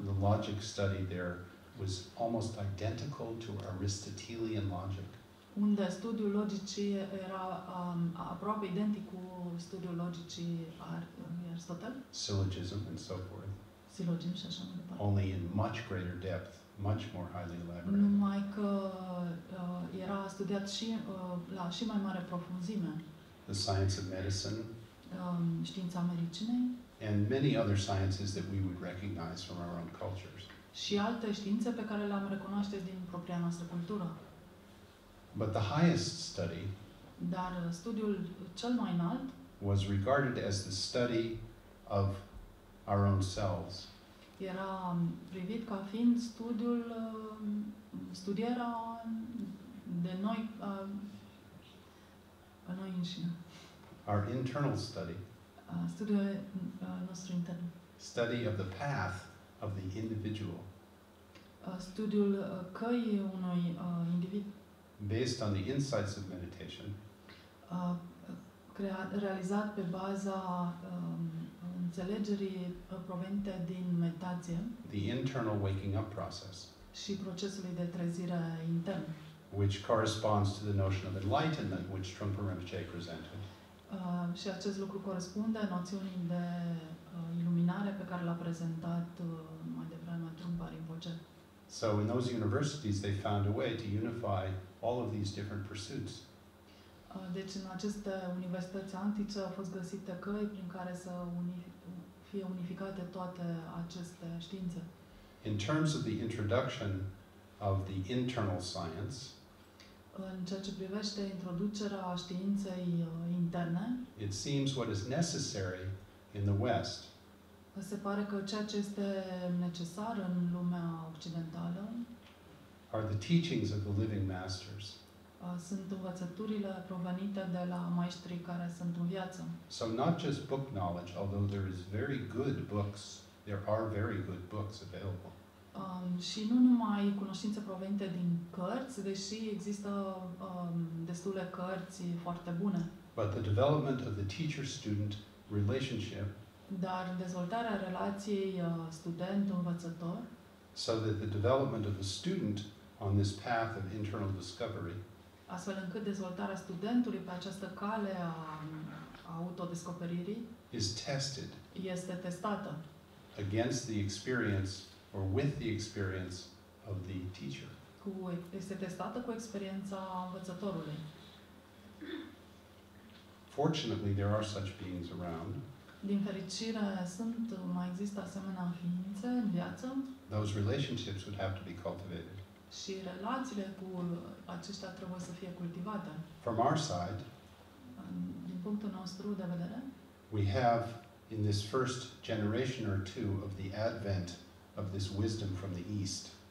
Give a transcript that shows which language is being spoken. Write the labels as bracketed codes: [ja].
[en] The logic study there was almost identical to Aristotelian logic. [ro] unde studiul logicii era aproape identic cu studiul logicii Aristotel. [en] Syllogism and so forth. [ro] Syllogism și așa mai departe. [en] Only in much greater depth, much more highly elaborate. [ro] Numai că era studiat și la și mai mare profunzime. [en] The science of medicine. [ro] Știința medicinei. [en] And many other sciences that we would recognize from our own cultures. [ro] Și alte științe pe care le-am recunoaște din propria noastră cultură. [en] But the highest study, [ro] dar studiul cel mai înalt, [en] was regarded as the study of our own selves. [ro] Era privit ca fiind studiul studierea de noi pe noi înșine. [en] Our internal study. [ro] Studiul nostru intern. [en] Study of the path of the individual. [ro] Studiul căii unui individ. [en] Based on the insights of meditation. [ro] Realizat pe baza înțelegerii provenite din meditație. [en] The internal waking up process. [ro] Și procesului de trezire intern. [en] Which corresponds to the notion of enlightenment which Trungpa Rinpoche presented. [ro] Și acest lucru corespunde noțiunii de iluminare pe care l-a prezentat mai devreme Trungpa Rinpoche. [en] So in those universities they found a way to unify all of these different pursuits. [ro] Deci în aceste universități antice au fost găsite căi prin care să fie unificate toate aceste științe. [en] In terms of the introduction of the internal science, [ro] în ceea ce privește introducerea științei interne, [en] it seems what is necessary in the West. [ro] Se pare că ceea ce este necesar în lumea occidentală [en] are the teachings of the living masters. [ro] Sunt învățăturile provenite de la maestrii care sunt în viață. [en] So not just book knowledge, although there is very good books, there are very good books available. [ro] Și nu numai cunoștințe provenite din cărți, deși există destule cărți foarte bune. [en] But the development of the teacher-student relationship, [ro] dar dezvoltarea relației student-învățător, [en] so that the development of the student on this path of internal discovery, [ro] astfel încât dezvoltarea studentului pe această cale a autodescoperirii, [en] is tested, [ro] este testată [en] against the experience or with the experience of the teacher. [ro] Este testată cu experiența învățătorului. [en] Fortunately, there are such beings around. [ro] Din fericire, mai există asemenea ființe în viață. [en] Those relationships would have to be cultivated. [ro] Și relațiile cu aceștia trebuie să fie cultivate. [en] From our side, [ro] din punctul nostru de vedere, [en] we have in this first generation or two of the advent of this wisdom from the East.